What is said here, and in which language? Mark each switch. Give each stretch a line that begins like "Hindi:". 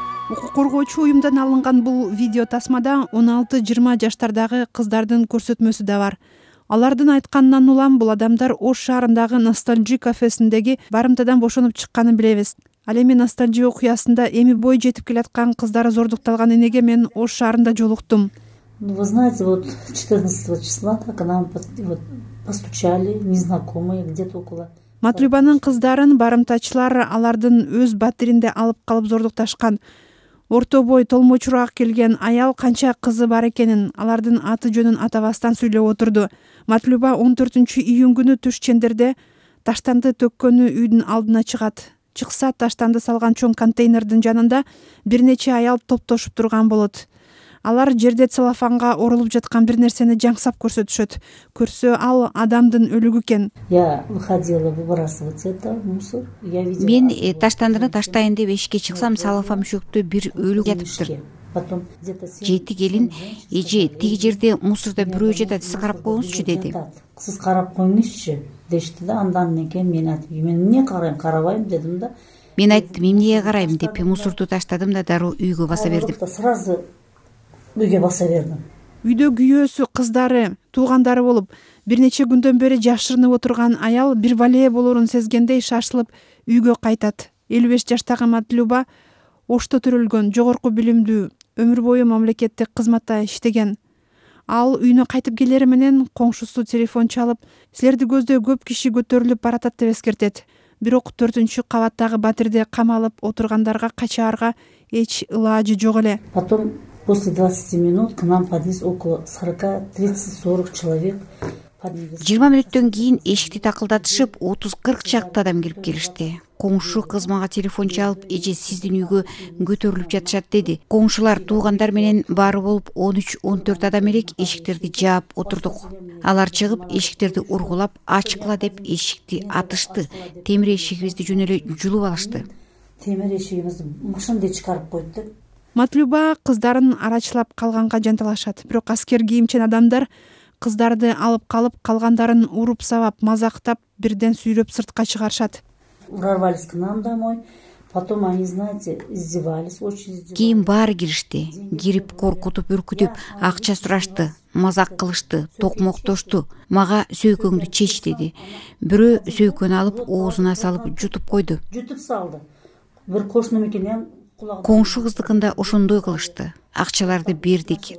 Kyrgyz: Укук коргоочу уюмдан алынган бул видео тасмада 16-20 жаштардагы кыздардын көрсөтмөсү да бар. Алардын айтканынан улам бул адамдар Ош шаарындагы Ностальжия кафесиндеги барымтадан бошонуп чыкканын билебиз. Ал эми Ностальжия окуясында эми бой жетип келаткан кыздары зордукталган энеге мен Ош шаарында жолуктум.
Russian: Вы знаете, вот 14 числа так нам постучали незнакомые где-то около.
Kyrgyz: Матрубанын кыздарын барымтачылар алардын өз батиринде алып калып зордукташкан. Орто бой толмочураак келген аял канча кызы бар экенин алардын аты жөнүн атабастан сүйлөп отурду. Матлюба 14-июнь күнү түш чендерде таштанды төккөнү үйдүн алдына чыгат. Чыкса таштанды салган чоң контейнердин жанында бир нече аял топтошуп турган болот. Алар жерде целлофанга орулуп жаткан бир нерсени жаңсап көрсөтүшөт. Көрсө ал адамдын өлүгү экен.
Russian: Я выходила выбрасывать это мусор. Я видела.
Kyrgyz: Мен таштандыны таштайын деп эшикке чыксам, целлофан мүшөктө бир өлүк жатыптыр. Потом где-то жети келин, эже, тиги жерде мусорда бирөө жатат, сиз карап коюңузчу деди. Сиз карап коюңузчу дешти да, андан кийин мен айттым, мен эмне карайм, карабайм дедим да. Мен айттым, эмнеге карайм деп мусорду таштадым да, дароо үйгө баса бердим. Сразу үйгө баса бердим. Үйдө күйөөсү, кыздары, туугандары болуп, бир нече күндөн бери жашырынып отурган аял бир валея болорун сезгендей шашылып үйгө кайтат. 55 жаштагы Матлюба Ошто төрөлгөн, жогорку билимдүү, өмүр бою мамлекеттик кызматта иштеген. Ал үйүнө кайтып келери менен коңшусу телефон чалып, силерди көздөй көп киши көтөрүлүп баратат деп эскертет. Бирок 4-чү кабаттагы батирде камалып отургандарга качаарга эч ылаажы жок эле.
Russian: Потом после 20 минут к нам подъезд около 30-40 человек.
Kyrgyz: 20 мүнөттөн кийин эшикти такылдатышып 30-40 чакты адам келип келишти. Коңшу кыз мага телефон чалып, эже сиздин үйгө көтөрүлүп жатышат деди. Коңшулар, туугандар менен бары болуп 13-14 адам элек эшиктерди жаап отурдук. Алар чыгып эшиктерди ургулап, ачкыла деп эшикти атышты. Темир эшигибизди жөн эле жулуп алышты. Темир эшигибизди машинаде чыгарып койду. Матлюба кыздарын арачылап калганга жанталашат. Бирок аскер кийимчен адамдар кыздарды алып калып, калгандарын уруп сабап, мазактап, бирден сүйрөп сыртка чыгарышат.
Russian: Урвались к нам домой. Потом они, знаете, издевались, очень издевались.
Kyrgyz: Кийин баары киришти, кирип коркутуп, үркүтүп, акча сурашты, мазак кылышты, токмоктошту. Мага сөйкөңдү чеч деди. Бирөө сөйкөнү алып, оозуна салып жутуп койду. Жутуп салды. Бир кошуну мекенен кулагы. Коңшу кыздыкында ошондой кылышты. Акчаларды бердик.